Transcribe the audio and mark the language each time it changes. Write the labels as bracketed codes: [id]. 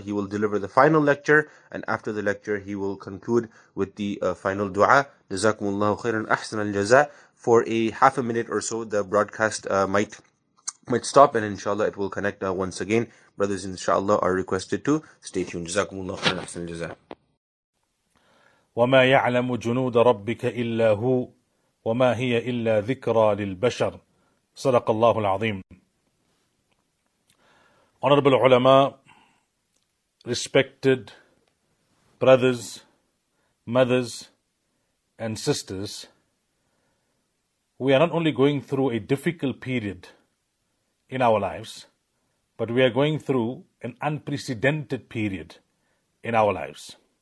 [en] He will deliver the final lecture, and after the lecture, he will conclude with the final dua. Jazakumullahu khairan ahsan al-jaza. For a half a minute or so, the broadcast might stop, and inshallah, it will connect once again. Brothers, inshallah, are requested to stay tuned. Jazakumullahu khairan ahsan al-jaza. [ar] وما يعلم جنود ربك إلا هو وما هي إلا ذكرى للبشر صدق الله العظيم. [en] Honorable ulama, respected brothers, mothers and sisters, we are not only going through a difficult period in our lives, but we are going through an unprecedented period in our lives.